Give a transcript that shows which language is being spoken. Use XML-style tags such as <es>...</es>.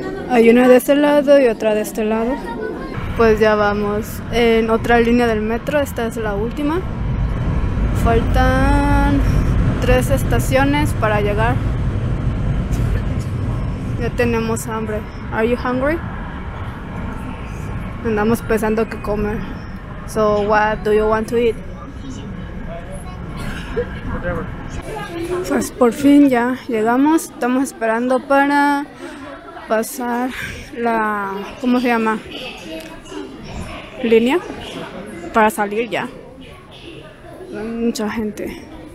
<es>Hay una de este lado y otra de este lado. Pues ya vamos en otra línea del metro. Esta es la última. Faltan 3 estaciones para llegar. Ya tenemos hambre.</es> <en>Are you hungry?</en> <es>Andamos pensando qué comer.</es> <en>So what do you want to eat?</en> <es>Pues por fin ya llegamos. Estamos esperando para pasar la, ¿cómo se llama? Línea para salir ya. Mucha gente.</es>